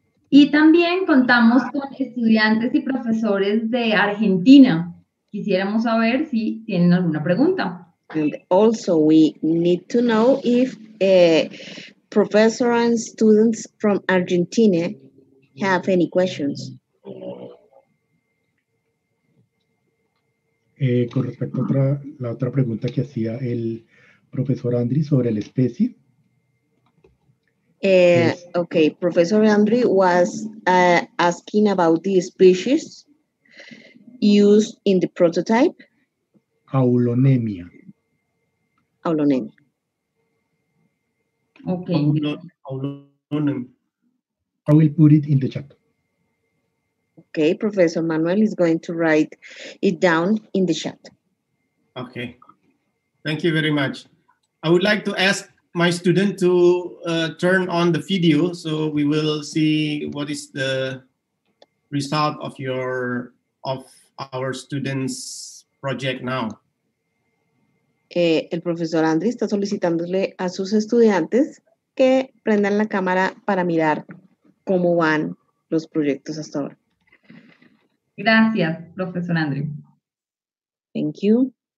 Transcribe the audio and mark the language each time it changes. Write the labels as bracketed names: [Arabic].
[Spanish] Y también contamos con estudiantes y profesores de Argentina. Quisiéramos saber si tienen alguna pregunta. [English] And also we need to know if professors and students from Argentina have any questions. [Spanish] Con respecto a la otra pregunta que hacía el profesor Andri sobre la especie. [English] Okay, Professor Andri was asking about the species used in the prototype. Aulonemia. Aulonemia. Okay. I will put it in the chat. Okay, Professor Manuel is going to write it down in the chat. Okay, thank you very much. I would like to ask my student to turn on the video so we will see what is the result of our student's project now. [Spanish] El profesor Andri está solicitándole a sus estudiantes que prendan la cámara para mirar cómo van los proyectos hasta ahora. Gracias, profesor Andrew. [English] Thank you.